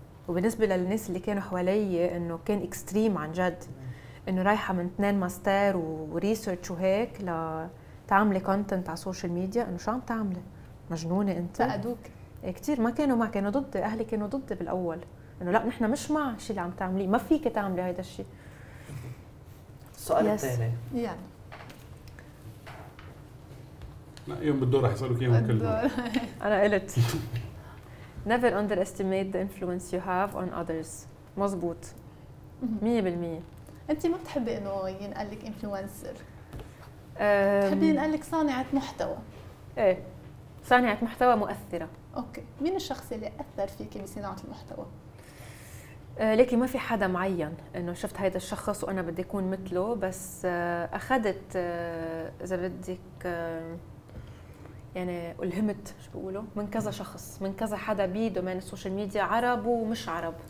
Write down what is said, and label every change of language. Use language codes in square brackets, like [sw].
[ar] وبالنسبة للناس اللي كانوا حوالي انه كان اكستريم عن جد، انه رايحة من 2 ماستر وريسيرش وهيك لتعملي كونتنت على السوشيال ميديا، انه شو عم تعملي؟ مجنونة انت؟ فقدوك كتير. ما كانوا معك، كانوا ضدي، اهلي كانوا ضدي بالاول، انه لا نحن مش مع شي اللي عم تعملي، ما فيك تعملي هيدا الشي. السؤال الثاني يعني يوم بالدور رح يسألوك يوم كله. انا قلت [en] Never underestimate the influence you have on others. [ar] مظبوط. 100%. أنت ما بتحبي إنه ينقل لك influencer. بتحبي ينقل لك صانعة محتوى. إيه. صانعة محتوى مؤثرة. أوكي. مين الشخص اللي أثر فيك بصناعة المحتوى؟ لكن ما في حدا معين إنه شفت هيدا الشخص وأنا بدي أكون مثله، بس أخذت إذا بدك يعني ألهمت شو بقوله من كذا شخص، من كذا حدا بيدومين السوشيال ميديا، عرب ومش عرب.